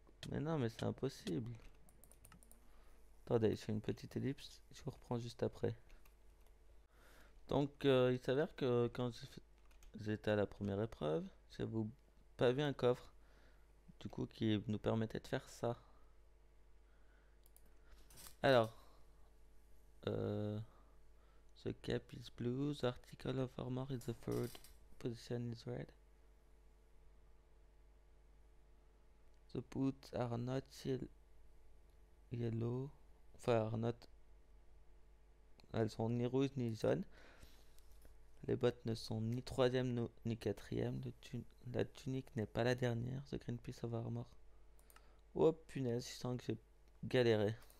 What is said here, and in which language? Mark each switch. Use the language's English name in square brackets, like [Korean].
[French] Mais non, mais c'est impossible. Attendez, je fais une petite ellipse, je vous reprends juste après. Donc, il s'avère que quand j'étais à la première épreuve, j'avais pas vu un coffre. Du coup, qui nous permettait de faire ça. [English] Alors, The cap is blue, the article of armor is the third position is red. The boots are not yellow. Enfin, are not. [French] Elles sont ni rouges ni jaunes. Les bottes ne sont ni troisième ni quatrième. La tunique n'est pas la dernière. The green piece of armor. Oh punaise, je sens que j'ai galéré.